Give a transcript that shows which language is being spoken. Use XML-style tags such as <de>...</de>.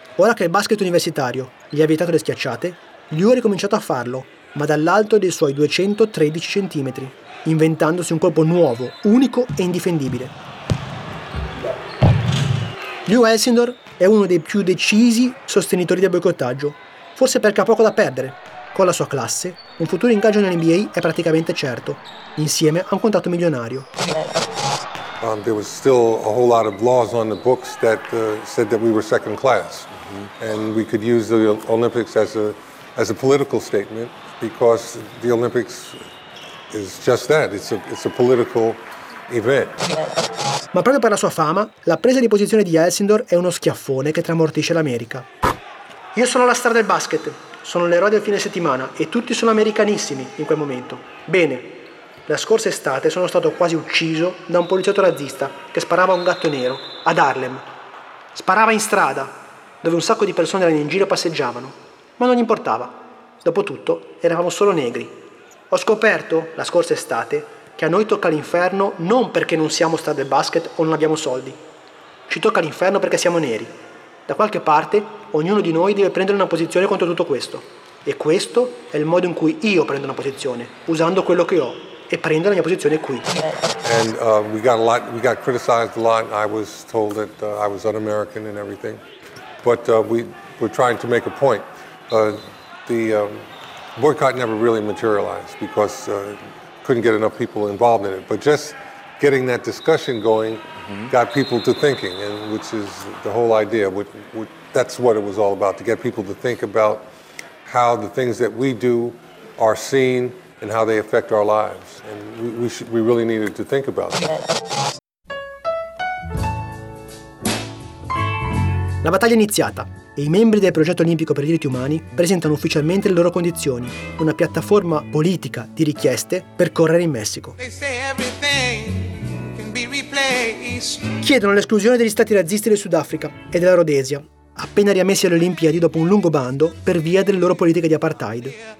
<it>Ora che il basket universitario gli ha vietato le schiacciate, Liu ha ricominciato a farlo, ma dall'alto dei suoi 213 cm, inventandosi un colpo nuovo, unico e indifendibile. Liu Elsinore è uno dei più decisi sostenitori del boicottaggio, forse perché ha poco da perdere. Con la sua classe, un futuro ingaggio nell'NBA è praticamente certo, insieme a un contratto milionario.</it> <en>There was still a whole lot of laws on the books that said that we were second class, and we could use the Olympics as a political statement, because the Olympics is just that, it's a political event.</en> <it>Ma proprio per la sua fama, la presa di posizione di Elsinore è uno schiaffone che tramortisce l'America. Io sono la star del basket, sono l'eroe del fine settimana e tutti sono americanissimi in quel momento. Bene, la scorsa estate sono stato quasi ucciso da un poliziotto razzista che sparava a un gatto nero ad Harlem. Sparava in strada, dove un sacco di persone erano in giro e passeggiavano. Ma non importava, dopotutto eravamo solo negri. Ho scoperto, la scorsa estate, che a noi tocca l'inferno non perché non siamo star del basket o non abbiamo soldi. Ci tocca l'inferno perché siamo neri. Da qualche parte, ognuno di noi deve prendere una posizione contro tutto questo. E questo è il modo in cui io prendo una posizione, usando quello che ho, e prendo la mia posizione qui.</it> <en>And we got criticized a lot. I was told that I was un-American and everything. But we were trying to make a point. The boycott never really materialized because couldn't get enough people involved in it, but just getting that discussion going got people to thinking, and which is the whole idea. That's what it was all about, to get people to think about how the things that we do are seen and how they affect our lives. And we really needed to think about that.</en> <it>La battaglia è iniziata e i membri del progetto olimpico per i diritti umani presentano ufficialmente le loro condizioni, una piattaforma politica di richieste per correre in Messico. Chiedono l'esclusione degli stati razzisti del Sudafrica e della Rhodesia, appena riammessi alle Olimpiadi dopo un lungo bando per via delle loro politiche di apartheid.</it>